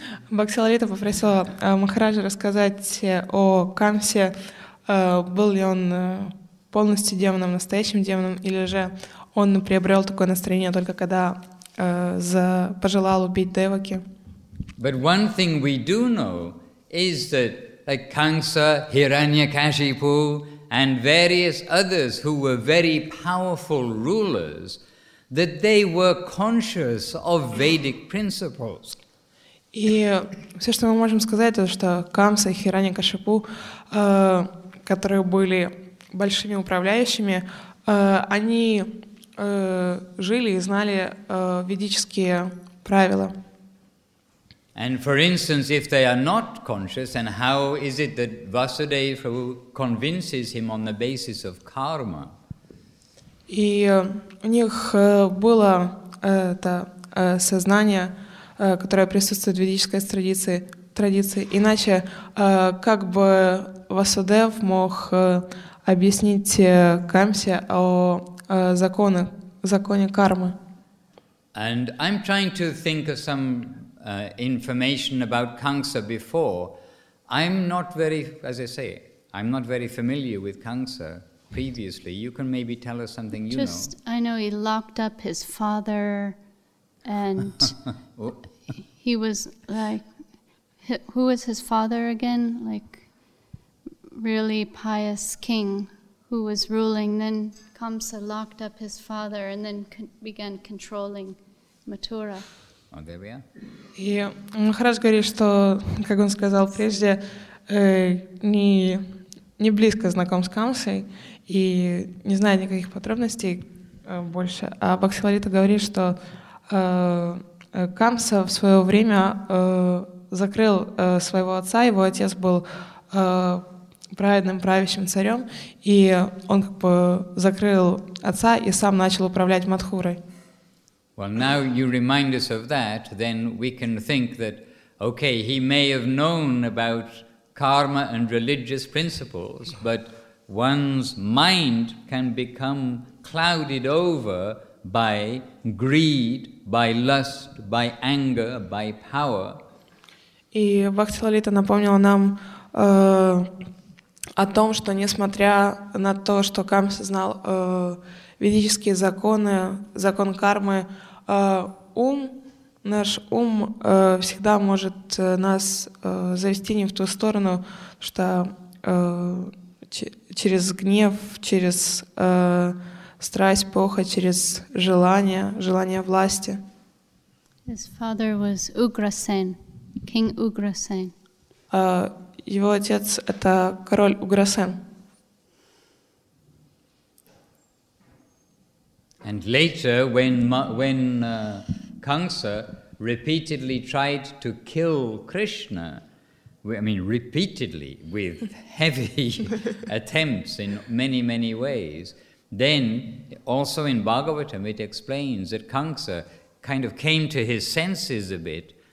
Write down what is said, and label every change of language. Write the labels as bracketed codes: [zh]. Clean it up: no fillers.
[ru] Бхактисиддханта попросила Махараджа рассказать о Камсе. Был ли он полностью демоном, настоящим демоном, или же он приобрел такое настроение только когда пожелал убить Деваки. [en] But one thing we do know is that like Kamsa, Hiranyakashipu, and various others who were very powerful rulers, that they were conscious of Vedic principles. [ru] И все, что мы можем сказать, это что Камса и Хираньякашипу, которые были большими управляющими, они жили и знали ведические правила. [en] And for instance, if they are not conscious, and how is it that Vasudeva convinces him on the basis of karma? [ru] И у них было это сознание, которое присутствует в ведической традиции. Иначе как бы Васудев мог объяснить Камсе о законе кармы. [en] And I'm trying to think of some information about Kamsa before. I'm not very familiar with Kamsa, previously, you can maybe tell us something you just know. I know he locked up his father, and he was like, who was his father again? Like, really pious king who was ruling. Then Kamsa locked up his father and then began controlling Mathura. Oh, there we are. [ru] И Махарадж говорит, что, как он сказал прежде, не близко знаком с Камсой и не знает никаких подробностей больше. А Бхакти Ларита говорит, что Камса в свое время закрыл своего отца, его отец был праведным правящим царем, и он как бы закрыл отца и сам начал управлять Матхурой. [en] Well, now you remind us of that, then we can think that, okay, he may have known about karma and religious principles, but one's mind can become clouded over by greed, by lust, by anger, by power. [ru] И Бхакти Лалита напомнила нам о том, что несмотря на то, что Камса знал ведические законы, закон кармы, наш ум всегда может нас завести не в ту сторону, что через гнев, через страсть, похоть, через желание власти. [en] His father was Ugrasen, King Ugrasen. [ru] Его отец — это король Уграсен. [en] And later, when Kamsa repeatedly tried to kill Krishna, repeatedly with heavy attempts in many, many ways, then also in Bhagavatam it explains that Kamsa kind of came to his senses a bit,